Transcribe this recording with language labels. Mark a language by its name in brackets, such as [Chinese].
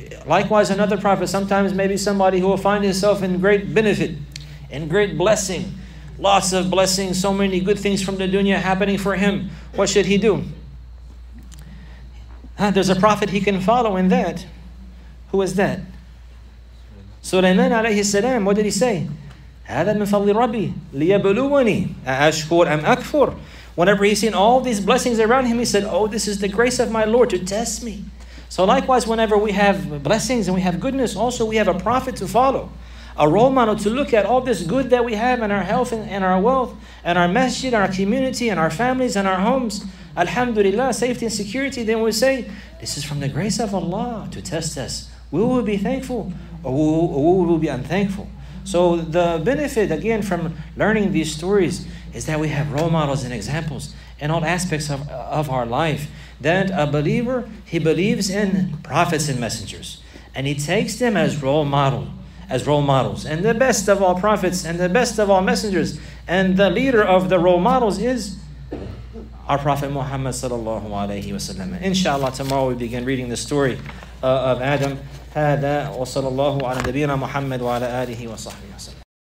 [English] Likewise, another prophet, sometimes maybe somebody who will find himself in great benefit, in great blessing, lots of blessings, so many good things from the dunya happening for him. What should he do? There's a prophet he can follow in that. Who is that? Sulaiman alayhi salam, what did he say? [Arabic] هذا من فضل ربي ليبلوني أشكر أم أكفر. [English] Whenever he's seen all these blessings around him, he said, oh, this is the grace of my Lord to test me. So likewise, whenever we have blessings and we have goodness, also we have a prophet to follow. a role model to look at all this good that we have in our health and our wealth and our masjid and our community and our families and our homes, alhamdulillah, safety and security, then we say, this is from the grace of Allah to test us. Will we be thankful or will we be unthankful? So the benefit, again, from learning these stories is that we have role models and examples in all aspects of our life. That a believer, he believes in prophets and messengers. And he takes them as role model, as role models. And the best of all prophets and the best of all messengers and the leader of the role models is our Prophet Muhammad sallallahu alayhi wa sallam. Inshallah, tomorrow we begin reading the story of Adam. [Arabic] هذا وصلى الله على نبينا محمد وعلى آله وصحبه وسلم.